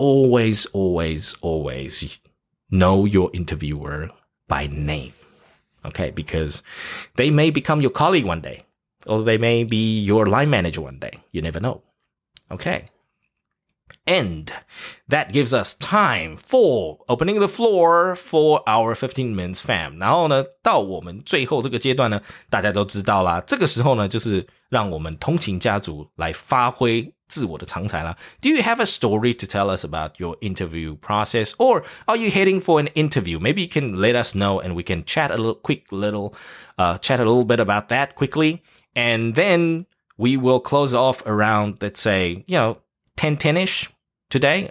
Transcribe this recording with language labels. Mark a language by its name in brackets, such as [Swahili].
[English] Always, always, always know your interviewer by name, okay? Because they may become your colleague one day, or they may be your line manager one day. You never know, okay? And that gives us time for opening the floor for our 15 minutes fam. [Chinese] 然后呢，到我们最后这个阶段呢，大家都知道啦，这个时候呢，就是让我们通勤家族来发挥自我的长才啦。 [English] Do you have a story to tell us about your interview process? Or are you heading for an interview? Maybe you can let us know and we can chat a little bit about that quickly. And then we will close off around, let's say, you know, 10-10-ish today.